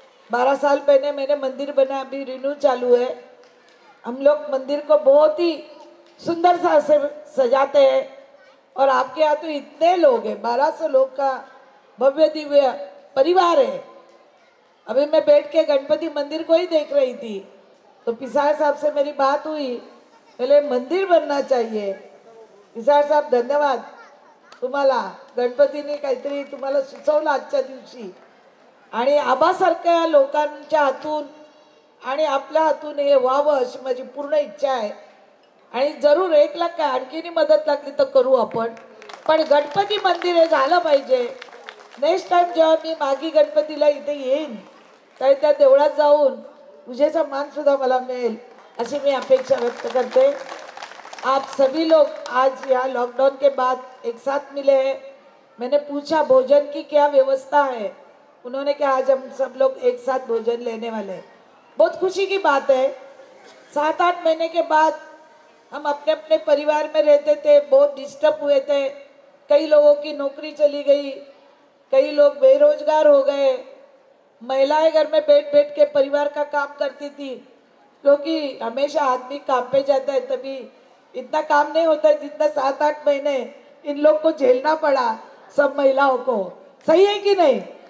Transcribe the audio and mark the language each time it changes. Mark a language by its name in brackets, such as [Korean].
[Hindi] 12 साल पहले मैंने मंदिर बनाया, अभी रिन्यू चालू है। हम लोग मंदिर को बहुत ही सुंदर सा से सजाते हैं और आपके यहाँ तो इतने लोग हैं, 1200 लोग का भव्य दिव्य परिवार है। अभी मैं बैठ के गणपति मंदिर को ही देख रही थी तो पिसार साहब से मेरी बात हुई, पहले मंदिर बनना चाहिए। [Marathi] पिसार साहब धन्यवाद तुम्हाला, गणपति ने काहीतरी तुम्हाला सुचवलं आजच्या दिवशी, आणि आबासारख्या लोकांच्या हातून आणि आपल्या हातून हे व्हावं अशी माझी पूर्ण इच्छा आहे। आणि जरूर 1 लाख काय आणखीनही मदत लागली तर करू आपण, पण गणपती मंदिर हे झालं पाहिजे। नेक्स्ट टाइम जेव्हा मी मागी गणपतीला इथे येईन तरी त्या देवळात जाऊन पूजेचा मानसुद्धा मला मिळेल अशी मी अपेक्षा व्यक्त करते। [Hindi] आप सभी लोग आज यहाँ लॉकडाउन के बाद एक साथ मिले हैं। मैंने पूछा भोजन की क्या व्यवस्था है, उन्होंने कहा आज हम सब लोग एक साथ भोजन लेने वाले हैं। बहुत खुशी की बात है, 7-8 महीने के बाद हम अपने अपने परिवार में रहते थे, बहुत डिस्टर्ब हुए थे, कई लोगों की नौकरी चली गई, कई लोग बेरोजगार हो गए, महिलाएं घर में बैठ बैठ के परिवार का काम करती थी, क्योंकि हमेशा आदमी काम पे जाता है तभी इतना काम नहीं होता है जितना 7-8 महीने इन लोग को झेलना पड़ा सब महिलाओं को, सही है कि नहीं?